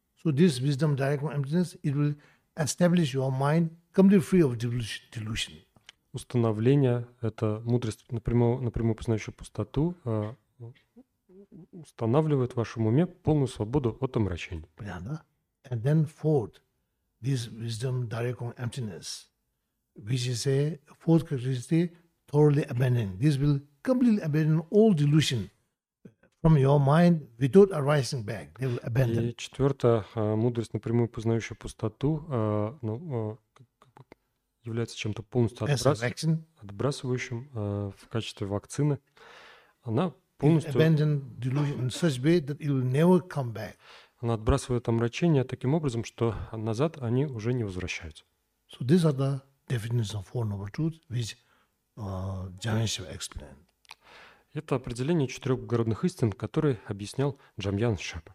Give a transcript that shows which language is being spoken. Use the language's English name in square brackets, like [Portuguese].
[English] So this wisdom, direct emptiness, it will establish your mind completely free of delusion. [Russian] Установление – это мудрость, напрямую познающую пустоту, устанавливает в вашем уме полную свободу от омрачений. Понятно? [English] And then fourth, this wisdom, direct emptiness. Which is a fourth characteristic, totally abandoning. This will completely abandon all delusion from your mind without arising back. They will abandon. [Russian] И четвертое, мудрость, напрямую познающая пустоту, является чем-то полностью отбрасывающим в качестве вакцины. Она полностью [English] abandon delusion in such way that it will never come back. [Russian] Она отбрасывает омрачение таким образом, что назад они уже не возвращаются. [English] So these are the definition of four noble truths, which Джамьянши explained. [Russian] Это определение четырех благородных истин, которые объяснял Джамьянши.